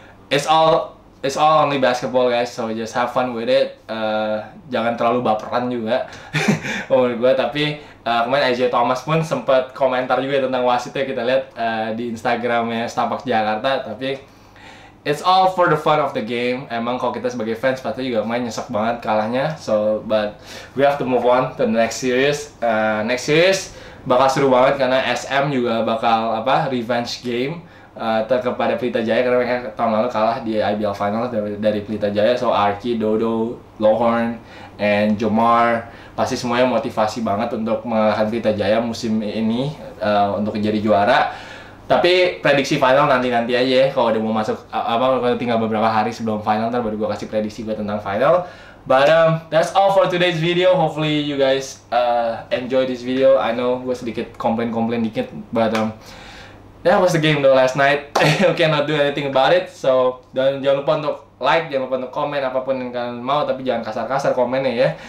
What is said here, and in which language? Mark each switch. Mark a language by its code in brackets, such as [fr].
[en] It's all only basketball guys, so just have fun with it. [id] Jangan terlalu baperan juga menurut gue. Tapi kemarin Isaiah Thomas pun sempat komentar juga tentang wasitnya, kita lihat di Instagramnya Stapac Jakarta. Tapi [en] it's all for the fun of the game. [id] Emang kalau kita sebagai fans pasti juga main nyesek banget kalahnya. [en] So but we have to move on to the next series. [id] Next series bakal seru banget karena SM juga bakal apa revenge game. Kepada Pelita Jaya karena mereka tahun lalu kalah di IBL Finals dari Pelita Jaya. So Arki, Dodo, Lohorn, and Jomar pasti semuanya motivasi banget untuk mengalahkan Pelita Jaya musim ini untuk jadi juara. Tapi prediksi final nanti aja ya, kalau udah mau masuk apa tinggal beberapa hari sebelum final, ntar baru gue kasih prediksi gue tentang final. [en] But that's all for today's video. Hopefully you guys enjoy this video. I know [id] gue sedikit komplain dikit, [en] but that was the game though last night. We cannot do anything about it. [id] So, dan jangan lupa untuk like, jangan lupa untuk komen apapun yang kalian mau, tapi jangan kasar-kasar komennya ya.